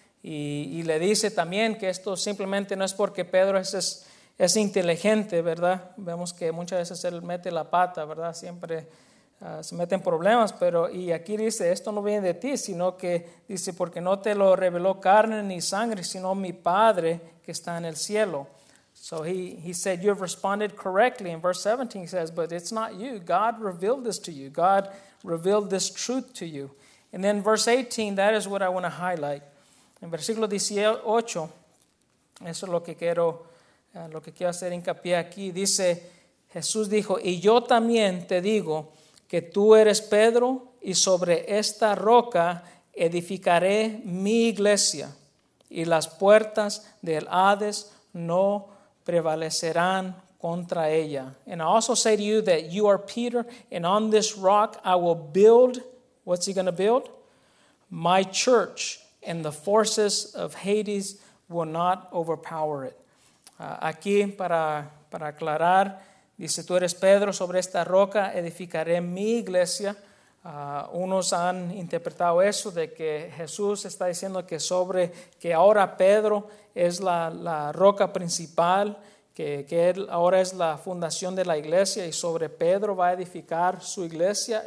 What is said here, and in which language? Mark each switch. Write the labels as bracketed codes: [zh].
[es] Y le dice también que esto simplemente no es porque Pedro es inteligente, ¿verdad? Vemos que muchas veces él mete la pata, ¿verdad? Siempre se mete en problemas. Y aquí dice, esto no viene de ti, sino que dice, porque no te lo reveló carne ni sangre, sino mi Padre que está en el cielo. [en] So he said, you've responded correctly. In verse 17 he says, but it's not you. God revealed this to you. God revealed this truth to you. And then verse 18, that is what I want to highlight. [es] En versículo 18, eso es lo que quiero hacer hincapié aquí. Dice, Jesús dijo, y yo también te digo que tú eres Pedro y sobre esta roca edificaré mi iglesia y las puertas del Hades no prevalecerán contra ella. [en] And I also say to you that you are Peter and on this rock I will build, what's he going to build? My church. And the forces of Hades will not overpower it. [es] Aquí, para aclarar, dice, tú eres Pedro, sobre esta roca edificaré mi iglesia. Unos han interpretado eso de que Jesús está diciendo que ahora Pedro es la roca principal, que él ahora es la fundación de la iglesia y sobre Pedro va a edificar su iglesia.